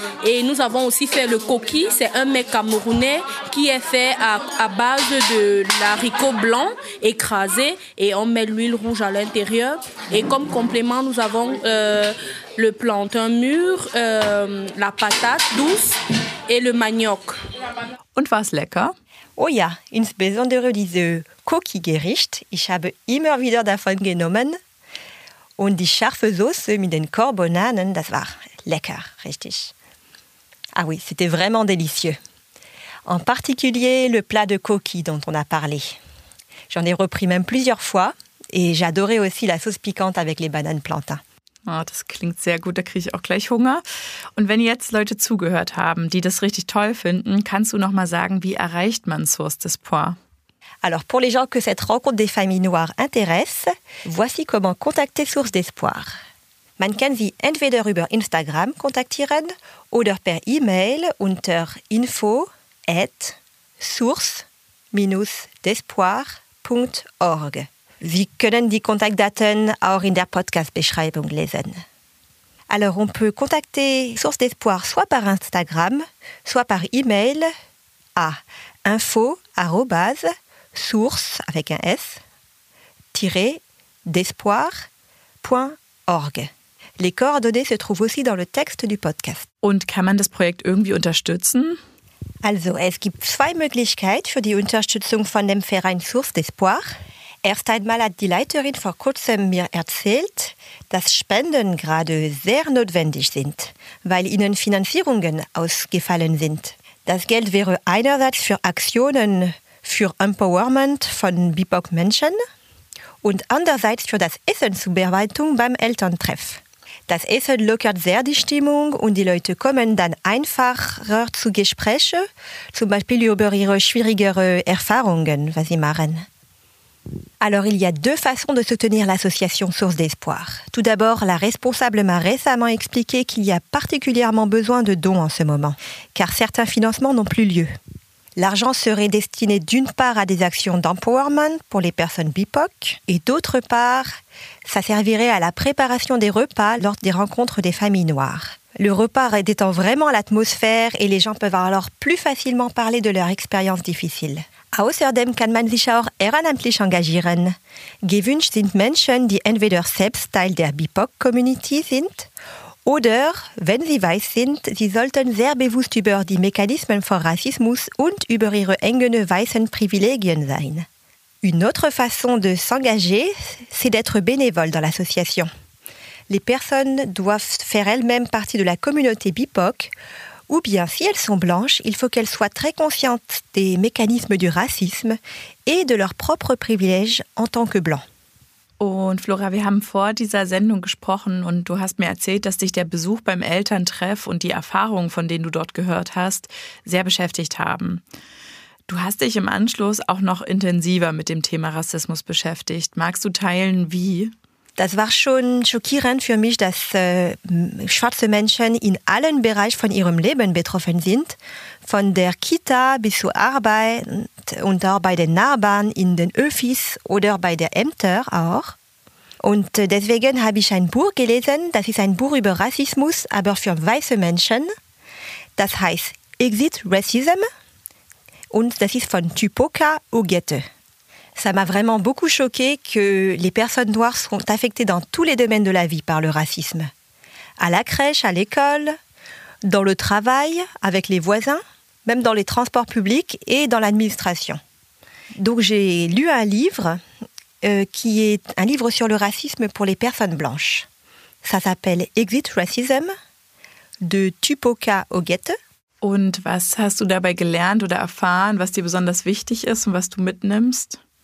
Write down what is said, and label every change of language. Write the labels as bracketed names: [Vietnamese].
[French] Et nous avons aussi fait le koki, c'est un mets camerounais qui est fait à base de l'haricot blanc écrasé. Et on met l'huile rouge à l'intérieur. Et comme complément, nous avons le plantain mûr, la patate douce et le manioc. [German] Und war es lecker? Oh ja, insbesondere diese Koki-Gericht. Ich habe immer wieder davon genommen. Und die scharfe Soße mit den Korbonanen, das war lecker, richtig. [French] Ah oui, c'était vraiment délicieux. En particulier le plat de Koki dont on a parlé. J'en ai repris même plusieurs fois. Et j'adorais aussi la sauce piquante avec les bananes plantains. [German] Oh, das klingt sehr gut, da kriege ich auch gleich Hunger. Und wenn jetzt Leute zugehört haben, die das richtig toll finden, kannst du noch mal sagen, wie erreicht man Source d'Espoir? [French] Alors, pour les gens que cette rencontre des familles noires intéresse, voici comment contacter Source d'Espoir. [German] Man kann sie entweder über Instagram kontaktieren oder per E-Mail unter info@source-d'espoir.org. Sie können die Kontaktdaten auch in der Podcast-Beschreibung lesen. [French] Alors, on peut contacter Source d'Espoir soit par Instagram, soit par E-Mail à info@source-d'espoir.org. Les coordonnées se trouvent aussi dans le texte du Podcast. [German] Und kann man das Projekt irgendwie unterstützen? Also, es gibt zwei Möglichkeiten für die Unterstützung von dem Verein Source d'Espoir. Erst einmal hat die Leiterin vor kurzem mir erzählt, dass Spenden gerade sehr notwendig sind, weil ihnen Finanzierungen ausgefallen sind. Das Geld wäre einerseits für Aktionen für Empowerment von BIPOC-Menschen und andererseits für das Essenzubereitung beim Elterntreff. Das Essen lockert sehr die Stimmung und die Leute kommen dann einfacher zu Gesprächen, zum Beispiel über ihre schwierigeren Erfahrungen, was sie machen. [French] Alors, il y a deux façons de soutenir l'association Source d'Espoir. Tout d'abord, la responsable m'a récemment expliqué qu'il y a particulièrement besoin de dons en ce moment, car certains financements n'ont plus lieu. L'argent serait destiné d'une part à des actions d'empowerment pour les personnes BIPOC, et d'autre part, ça servirait à la préparation des repas lors des rencontres des familles noires. Le repas détend vraiment l'atmosphère et les gens peuvent alors plus facilement parler de leur expérience difficile. [German] Außerdem kann man sich auch ehrenamtlich engagieren. Gewünscht sind Menschen, die entweder selbst Teil der BIPOC-Community sind oder, wenn sie weiß sind, sie sollten sehr bewusst über die Mechanismen von Rassismus und über ihre eigenen weißen Privilegien sein. [French] Une autre façon de s'engager, c'est d'être bénévole dans l'association. Les personnes doivent faire elles-mêmes partie de la communauté BIPOC. Ou bien, si elles sont blanches, il faut qu'elles soient très conscientes des mécanismes du racisme et de leurs propres privilèges en tant que blancs. [German] Und Flora, wir haben vor dieser Sendung gesprochen und du hast mir erzählt, dass dich der Besuch beim Elterntreff und die Erfahrungen, von denen du dort gehört hast, sehr beschäftigt haben. Du hast dich im Anschluss auch noch intensiver mit dem Thema Rassismus beschäftigt. Magst du teilen, wie? Das war schon schockierend für mich, dass schwarze Menschen in allen Bereichen von ihrem Leben betroffen sind. Von der Kita bis zur Arbeit und auch bei den Nachbarn, in den Öffis oder bei den Ämtern auch. Und deswegen habe ich ein Buch gelesen. Das ist ein Buch über Rassismus, aber für weiße Menschen. Das heißt Exit Racism und das ist von Tupoka Ogete. [French] Ça m'a vraiment beaucoup choqué que les personnes noires sont affectées dans tous les domaines de la vie par le racisme. À la crèche, à l'école, dans le travail, avec les voisins, même dans les transports publics et dans l'administration. Donc j'ai lu un livre qui est un livre sur le racisme pour les personnes blanches. Ça s'appelle « Exit Racism » de Tupoka Ogete. [German] Und was hast du dabei gelernt oder erfahren, was dir besonders wichtig ist und was du mitnimmst?